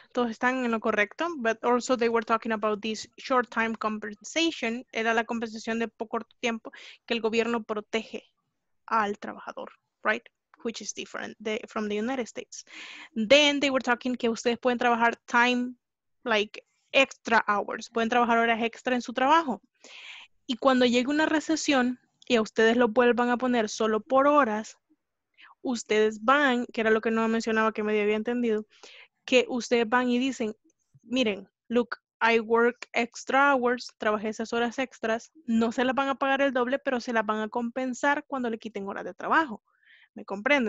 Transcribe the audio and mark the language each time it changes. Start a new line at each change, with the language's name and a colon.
Spanish: Todos están en lo correcto,
English: but also they were talking about this short time compensation.
Spanish: Era la compensación de poco tiempo que el gobierno protege al trabajador, right?
English: Which is different from the United States. Then they were talking
Spanish: que ustedes pueden trabajar
English: time, like extra hours.
Spanish: Pueden trabajar horas extra en su trabajo. Y cuando llegue una recesión y a ustedes lo vuelvan a poner solo por horas, ustedes van, que era lo que no mencionaba que medio había entendido, que ustedes van y dicen, miren,
English: look, I work extra hours,
Spanish: trabajé esas horas extras, no se las van a pagar el doble, pero se las van a compensar cuando le quiten horas de trabajo. ¿Me comprende?